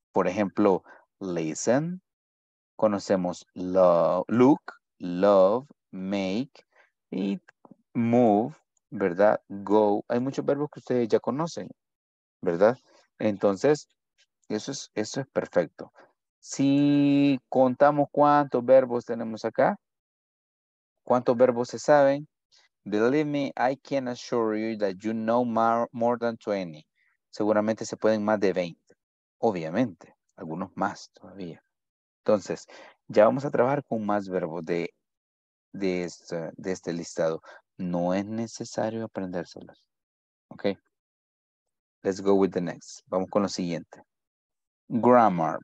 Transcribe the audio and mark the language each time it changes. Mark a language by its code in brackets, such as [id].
[es] Por ejemplo, listen. Conocemos look, love, make, y move, ¿verdad? Go. Hay muchos verbos que ustedes ya conocen, ¿verdad? Entonces, eso es perfecto. Si contamos cuántos verbos tenemos acá, ¿cuántos verbos se saben? [en] Believe me, I can assure you that you know more than 20. [es] Seguramente se pueden más de 20. Obviamente. Algunos más todavía. Entonces, ya vamos a trabajar con más verbos de este listado. No es necesario aprendérselos. [en] Ok. Let's go with the next. [es] Vamos con lo siguiente. Grammar.